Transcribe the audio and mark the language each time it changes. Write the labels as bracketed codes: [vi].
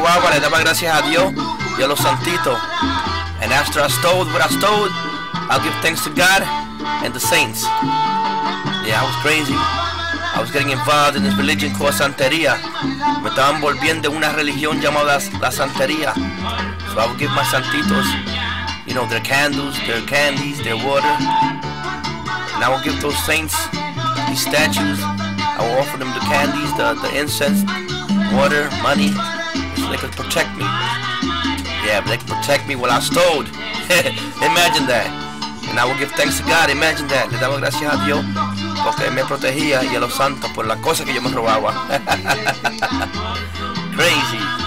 [es] Le daba gracias a Dios y a los santitos. [en] And after I stole what I stole, I'll give thanks to God and the saints. Yeah, I was crazy. I was getting involved in this religion called Santería. [es] Me estaban volviendo una religión llamada la Santería. [en] So I would give my santitos, you know, their candles, their candies, their water. And I would give those saints these statues. I would offer them the candies, the incense, water, money. They could protect me. Yeah, they could protect me while I stole. Imagine that. And I will give thanks to God. Imagine that. [es] Le daba gracias a Dios porque me protegía y a los santos por las cosas que yo me robaba. [en] Crazy.